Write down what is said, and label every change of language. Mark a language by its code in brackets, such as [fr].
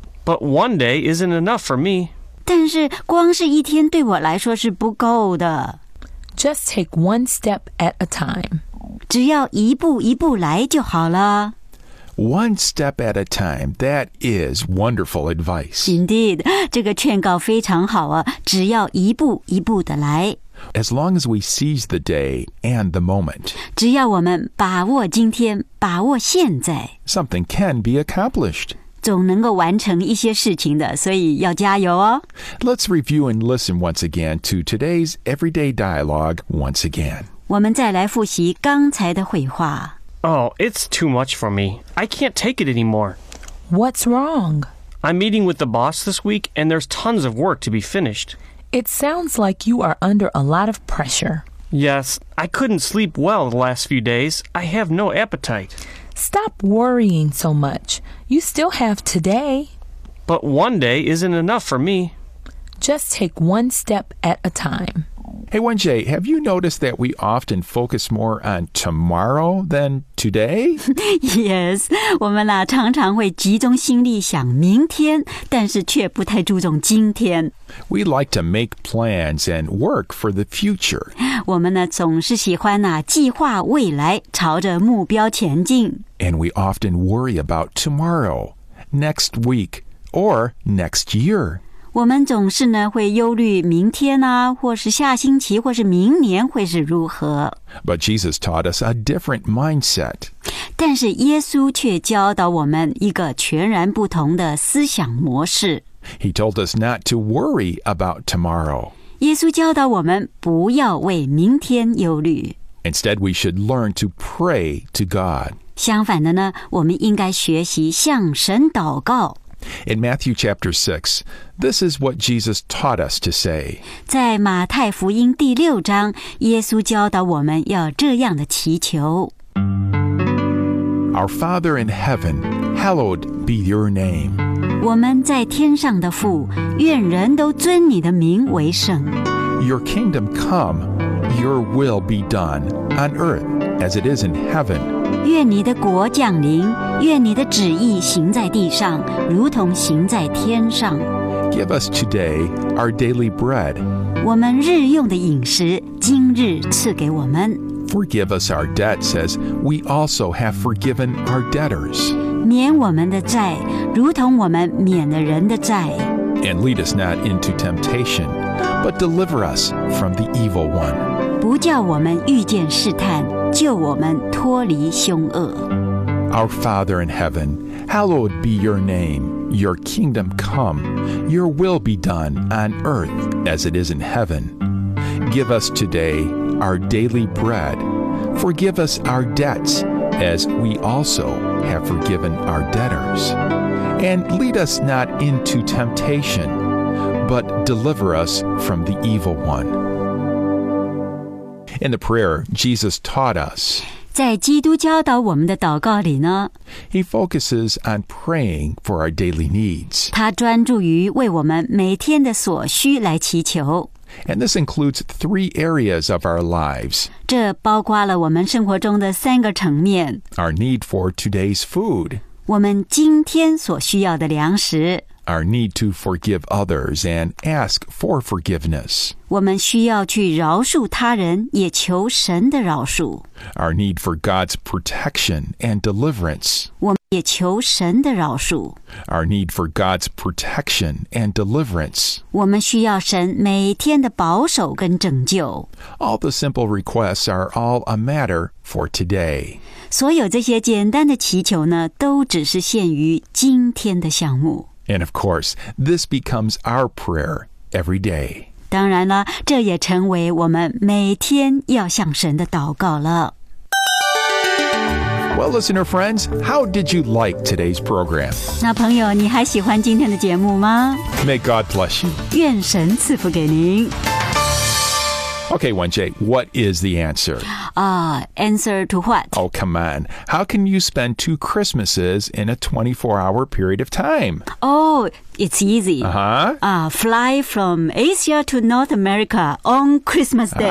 [en] But one day isn't enough for me. [zh] 但是光是一天对我来说是不够的。 [en] Just take one step at a time. [zh] 只要一步一步来就好了。 [en] One step at a time, that is wonderful advice. [zh] Indeed, 这个劝告非常好啊，只要一步一步的来。 [en] As long as we seize the day and the moment, [zh] 只要我们把握今天，把握现在， [en] something can be accomplished. [zh] 总能够完成一些事情的，所以要加油哦。 [en] Let's review and listen once again to today's everyday dialogue once again. [zh] 我们再来复习刚才的会话。 [en] Oh, it's too much for me. I can't take it anymore. What's wrong? I'm meeting with the boss this week, and there's tons of work to be finished. It sounds like you are under a lot of pressure. Yes, I couldn't sleep well the last few days. I have no appetite. Stop worrying so much. You still have today. But one day isn't enough for me. Just take one step at a time. Hey, Wenjie, have you noticed that we often focus more on tomorrow than today? [zh] Yes, 我们啊常常会集中心力想明天，但是却不太注重今天。 [en] We like to make plans and work for the future. [zh] 我们呢总是喜欢啊计划未来，朝着目标前进。 [en] And we often worry about tomorrow, next week, or next year. [zh] 我们总是呢会忧虑明天啊或是下星期或是明年会是如何。 [en] But Jesus taught us a different mindset. [zh] 但是耶稣却教导我们一个全然不同的思想模式。 [en] He told us not to worry about tomorrow. [zh] 耶稣教导我们不要为明天忧虑。 [en] Instead, we should learn to pray to God. [zh] 相反的呢我们应该学习向神祷告。 [en] In Matthew chapter 6, this is what Jesus taught us to say. [zh] 在马太福音第六章，耶稣教导我们要这样的祈求。 [en] Our Father in heaven, hallowed be your name. [zh] 我们在天上的父，愿人都尊你的名为圣。 [en] Your kingdom come, your will be done, on earth as it is in heaven. [zh] 愿你的国降临，愿你的旨意行在地上，如同行在天上。 [en] Give us today our daily bread. [zh] 我们日用的饮食，今日赐给我们。 [en] Forgive us our debts as we also have forgiven our debtors. [zh] 免我们的债，如同我们免了人的债。 [en] And lead us not into temptation, but deliver us from the evil one. [zh] 不叫我们遇见试探，救我们脱离凶恶。 [en] Our Father in heaven, hallowed be your name. Your kingdom come, your will be done on earth as it is in heaven. Give us today our daily bread. Forgive us our debts as we also have forgiven our debtors. And lead us not into temptation, but deliver us from the evil one. In the prayer, Jesus taught us, He focuses on praying for our daily needs. [zh] 他专注于为我们每天的所需来祈求。 [en] And this includes three areas of our lives. [zh] 这包括了我们生活中的三个层面。 [en] Our need for today's food. [zh] 我们今天所需要的粮食。 [en] Our need to forgive others and ask for forgiveness. [zh] 我们需要去饶恕他人，也求神的饶恕。 [en] Our need for God's protection and deliverance. [zh] 我们也求神的饶恕。 [en] Our need for God's protection and deliverance. [zh] 我们需要神每天的保守跟拯救。 [en] All the simple requests are all a matter for today. [zh] 所有这些简单的祈求呢，都只是限于今天的项目。 [en] And of course, this becomes our prayer every day. [zh] 当然了，这也成为我们每天要向神的祷告了。 [en] Well, listener friends, how did you like today's program? [zh] 那朋友，你还喜欢今天的节目吗？ [en] May God bless you. [zh] 愿神赐福给您。 [en] Okay, Wenjie, what is the answer? Answer to what? Oh, come on. How can you spend two Christmases in a 24-hour period of time? Oh, it's easy. Uh-huh. Fly from Asia to North America on Christmas Day.